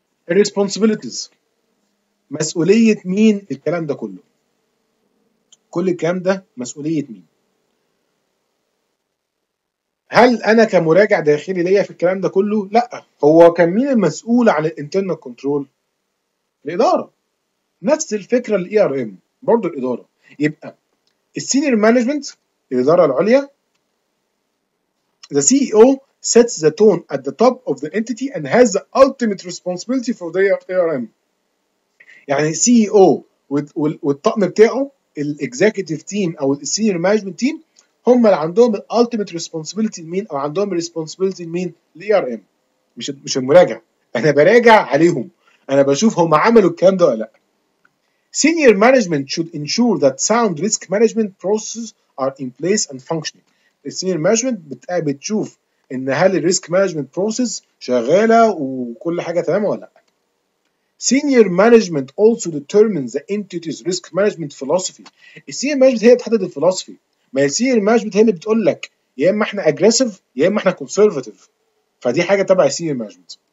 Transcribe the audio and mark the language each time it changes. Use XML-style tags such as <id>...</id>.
<ar>الريسبونسابيلتيز، مسؤولية مين الكلام ده كله؟ كل الكلام ده مسؤولية مين؟ هل أنا كمراجع داخلي ليا في الكلام ده كله؟ لا، هو كان مين المسؤول عن الانترنال كنترول؟ الإدارة. نفس الفكرة الـ ERM برضو الإدارة. يبقى السينير مانجمنت، الإدارة العليا،</ar> <en>the CEO sets the tone at the top of the entity and has the ultimate responsibility for their ERM.</en> <ar>يعني CEO والطقم بتاعه، الـ executive team أو الـ senior management team، هم اللي عندهم الـ ultimate responsibility لمين، أو عندهم الـ responsibility لمين؟ الـ ERM، مش المراجع. أنا براجع عليهم، أنا بشوف هم عملوا الكلام ده ولا لأ.</ar> <en>Senior management should ensure that sound risk management processes are in place and functioning.</en> <ar>الـ senior management بتشوف ان هل الريسك مانجمنت بروسيس شغاله وكل حاجه تمام ولا لا.</ar> <en>Senior management also determines the entity's risk management philosophy.</en> <ar>السينيور مانجمنت هي بتحدد الفيلوسفي. ما هي السينيور مانجمنت هي اللي بتقول لك يا اما احنا اجريسيف يا اما احنا كونسرفاتيف، فدي حاجه تبع السينيور مانجمنت.</ar>